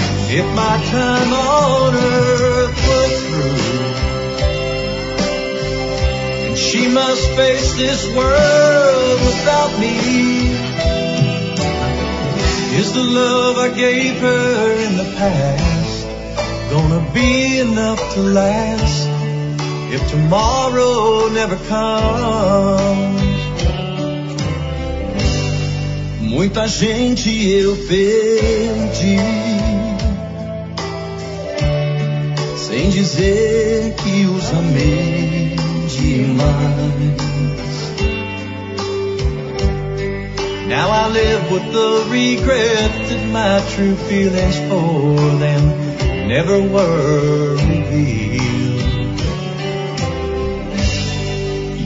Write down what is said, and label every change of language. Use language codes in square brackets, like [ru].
[en] If my time on earth was through, and she must face this world without me, is the love I gave her in the past gonna be enough to last if tomorrow never comes? [pt] Muita gente eu perdi, sem dizer que os amei demais. [en] Now I live with the regret that my true feelings for them never were revealed.